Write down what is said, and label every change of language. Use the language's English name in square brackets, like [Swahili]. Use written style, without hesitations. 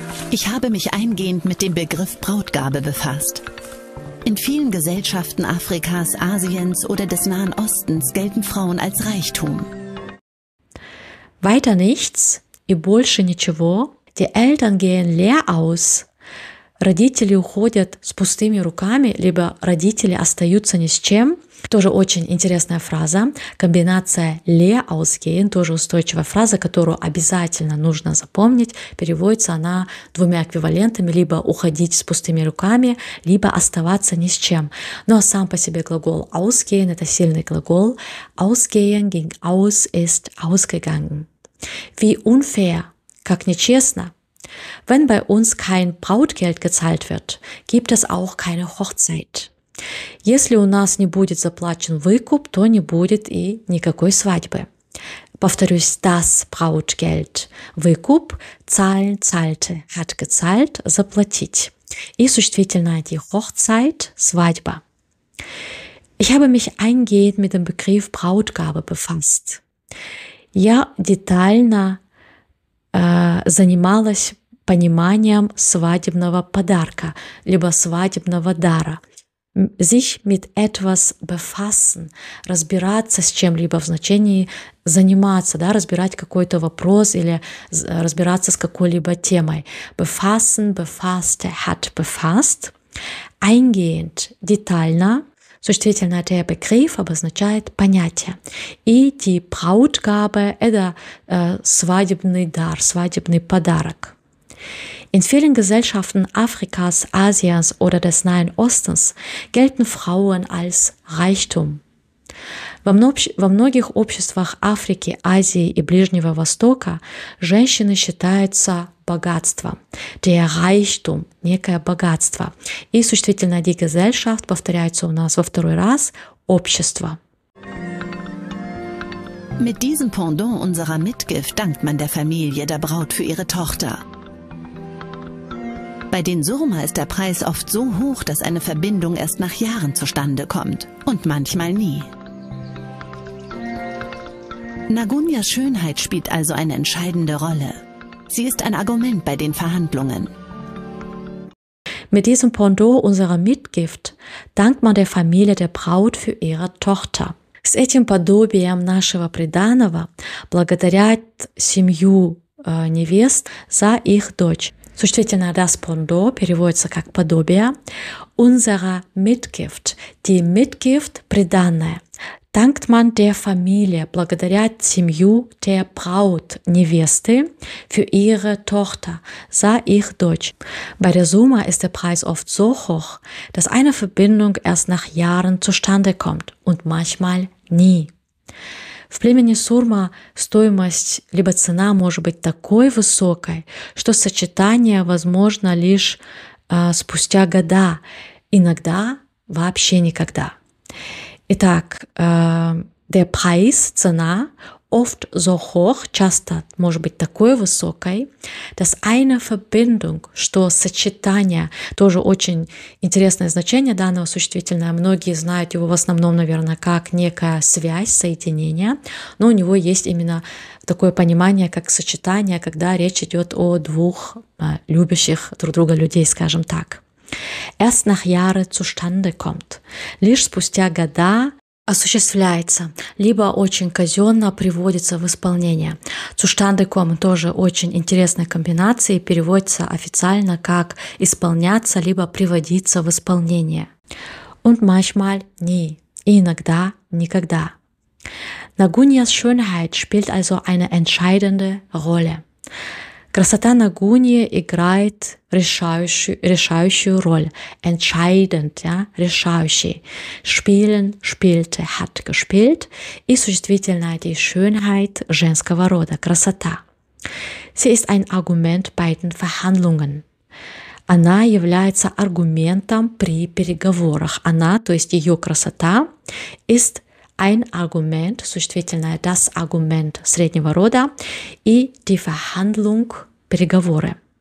[German] Ich habe mich eingehend mit dem Begriff Brautgabe befasst. In vielen Gesellschaften Afrikas, Asiens oder des Nahen Ostens gelten Frauen als Reichtum. Weiter nichts, [Russian] и больше ничего. [German] Die Eltern gehen leer aus. [Russian] родители уходят с пустыми руками, либо родители остаются ни с чем. Тоже очень интересная фраза. Комбинация «le» aus «gehen» тоже устойчивая фраза, которую обязательно нужно запомнить. Переводится она двумя эквивалентами, либо «уходить с пустыми руками», либо «оставаться ни с чем». Ну а сам по себе глагол «aus gehen» — это сильный глагол. [German] «Ausgehen» ging aus ist ausgegangen. Wie unfair, [Russian] как нечестно. [German] Wenn bei uns kein Brautgeld gezahlt wird, gibt es auch keine Hochzeit. [Russian] Если у нас не будет заплачен выкуп, то не будет и никакой свадьбы. [German] Повторюсь, das Brautgeld, выкуп, zahlen, zahlte, hat gezahlt, заплатить. [Russian] И существительное die Hochzeit, свадьба. [German] Ich habe mich eingehend mit dem Begriff Brautgabe befasst. [Russian] Я детально занималась пониманием свадебного подарка, либо свадебного дара. [German] Sich mit etwas befassen, [Russian] разбираться с чем-либо в значении заниматься, да, разбирать какой-то вопрос или разбираться с какой-либо темой. [German] Befassen, befasste, hat befasst. Eingehend, [Russian] детально. Существительное der Begriff обозначает понятие. И die Brautgabe – это свадебный дар, свадебный подарок. [German] In vielen Gesellschaften Afrikas, Asiens oder des Nahen Ostens gelten Frauen als Reichtum. [Russian] Во многих обществах Африки, Азии и Ближнего Востока женщины считаются богатством. [German] Der Reichtum, некое богатство. [Russian] И существительное die Gesellschaft повторяется у нас во второй раз общество. [German] Mit diesem Pendant unserer Mitgift dankt man der Familie der Braut für ihre Tochter. Bei den Surma ist der Preis oft so hoch, dass eine Verbindung erst nach Jahren zustande kommt. Und manchmal nie. Nagunyas Schönheit spielt also eine entscheidende Rolle. Sie ist ein Argument bei den Verhandlungen. Mit diesem Pendant unserer Mitgift dankt man der Familie der Braut für ihre Tochter. [Russian] С этим подобием нашего приданого благодарят семью невест за их дочь. Существительное das Pendant переводится как подобие. [German] Unsere Mitgift, die Mitgift, приданное. Dankt man der Familie, [Russian] благодаря семью, [German] der Braut, невесты, für ihre Tochter, [Russian] за их дочь. [German] Bei der Summe ist der Preis oft so hoch, dass eine Verbindung erst nach Jahren zustande kommt und manchmal nie. [Russian] В племени Сурма стоимость либо цена может быть такой высокой, что сочетание возможно лишь спустя года, иногда вообще никогда. Итак, der Preis, цена, [German] oft so hoch, [Russian] часто может быть такой высокой, [German] dass eine Verbindung, [Russian] что сочетание, тоже очень интересное значение данного существительного, многие знают его в основном, наверное, как некая связь, соединение, но у него есть именно такое понимание, как сочетание, когда речь идет о двух любящих друг друга людей, скажем так. [German] Erst nach Jahre zustande kommt. [Russian] Лишь спустя года осуществляется, либо очень казенно приводится в исполнение. Zustande kommen тоже очень интересная комбинация и переводится официально как исполняться, либо приводиться в исполнение. [German] Und manchmal nie. [Russian] И иногда никогда. [German] Нагуньяс Schönheit spielt also eine entscheidende Rolle. [Russian] Красота Нагуньи играет решающую роль. [German] Entscheidend, ja, [Russian] решающий. [German] Spielen, spielte, hat gespielt. [Russian] И существительное die Schönheit женского рода, красота. [German] Sie ist ein Argument bei den Verhandlungen. [Russian] Она является аргументом при переговорах. Она, то есть ее красота, [German] ist ein Argument, [Russian] существительное das Argument среднего рода. И die Verhandlung, переговоры.